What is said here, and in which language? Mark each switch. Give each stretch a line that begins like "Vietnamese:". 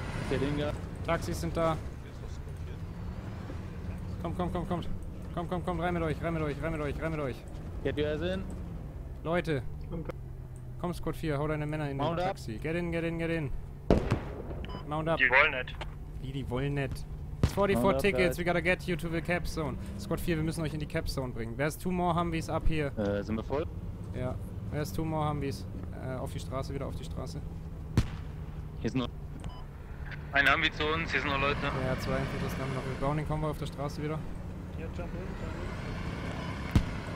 German: Der Ding da. Taxis sind da. Komm, komm, komm, komm. Komm, komm, komm, rein mit euch, rein mit euch, rein mit euch, rein mit euch.
English: Get your ass in.
German: Leute. Komm, Squad 4, hau deine Männer in Mount den Taxi.
English: Up. Get in, get in, get in. Mount up.
German: Die wollen nicht. Wie, die wollen nicht.
English: 44 Tickets, we gotta get you to the Cap Zone.
German: Squad 4, wir müssen euch in die Cap Zone bringen.
English: Where's two more Humvees up here?
German: Sind wir voll? Ja.
English: Where's two more Humvees?
German: Auf die Straße, wieder auf die Straße. Hier sind noch. Ein Humvee zu uns, hier sind noch Leute. Ja, zwei Infos haben wir noch. Wir bauen den Konvoi auf der Straße wieder.
English: Ja, jump in, jump in.